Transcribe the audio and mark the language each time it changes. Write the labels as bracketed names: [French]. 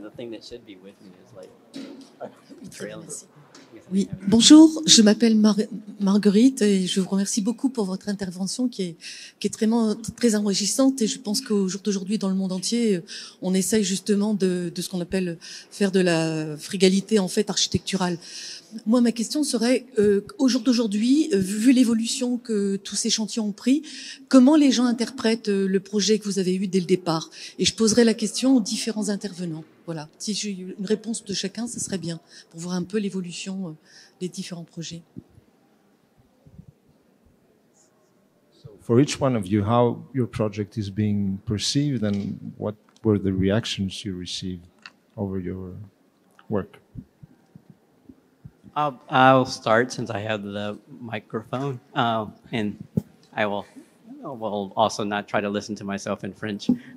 [English] The thing that should be with me is like trailing. [French] Oui. Bonjour, je m'appelle Marguerite et je vous remercie beaucoup pour votre intervention qui est vraiment très enrichissante, et je pense qu'au jour d'aujourd'hui dans le monde entier, on essaye justement de ce qu'on appelle faire de la frugalité en fait architecturale. Moi, ma question serait, au jour d'aujourd'hui, vu l'évolution que tous ces chantiers ont pris, comment les gens interprètent le projet que vous avez eu dès le départ? Et je poserai la question aux différents intervenants. Voilà. Si j'ai eu une réponse de chacun, ce serait bien, pour voir un peu l'évolution des différents projets. [English] So for each one of you, how your project is being perceived and what were the reactions you received over your work? I'll start since I have the microphone, and I will also not try to listen to myself in French.